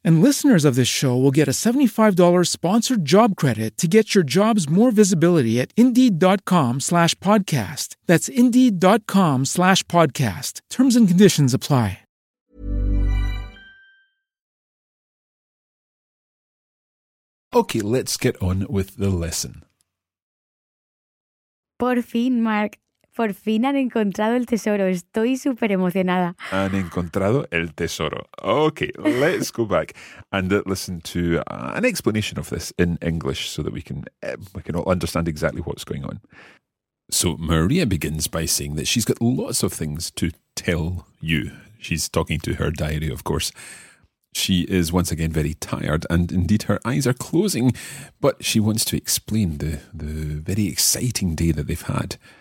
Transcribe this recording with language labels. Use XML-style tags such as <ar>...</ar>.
<en>And listeners of this show will get a $75 sponsored job credit to get your jobs more visibility at Indeed.com/podcast. That's Indeed.com/podcast. Terms and conditions apply. Okay, let's get on with the lesson.</en> <es>Por fin, Mark, por fin han encontrado el tesoro. Estoy súper emocionada. Han encontrado el tesoro.</es> <en>Okay, let's go back and listen to an explanation of this in English so that we can all understand exactly what's going on. So Maria begins by saying that she's got lots of things to tell you. She's talking to her diary, of course. She is once again very tired, and indeed her eyes are closing, but she wants to explain the very exciting day that they've had.</en>